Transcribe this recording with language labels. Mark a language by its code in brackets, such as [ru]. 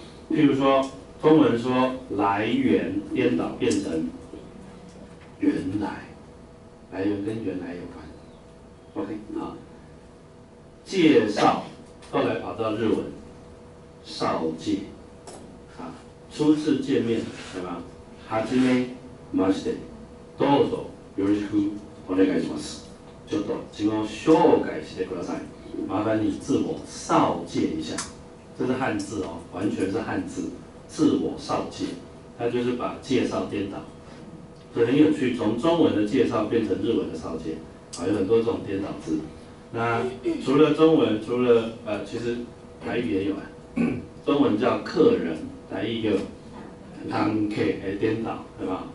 [zh] 譬如说，中文说来源颠倒变成原来，来源跟原来有关。 OK， 好。介绍后来跑到日文，少介，啊，初次见面，对吧？ [ja] はじめまして、どうぞよろしくお願いします。ちょっと自己紹介してください。 [zh] 麻烦你自我绍介一下，这是汉字哦，完全是汉字，自我绍介，它就是把介绍颠倒，所以很有趣，从中文的介绍变成日文的绍介，啊，有很多这种颠倒字。那除了中文，除了其实台语也有啊，中文叫客人，台语叫人客的颠倒，对吧？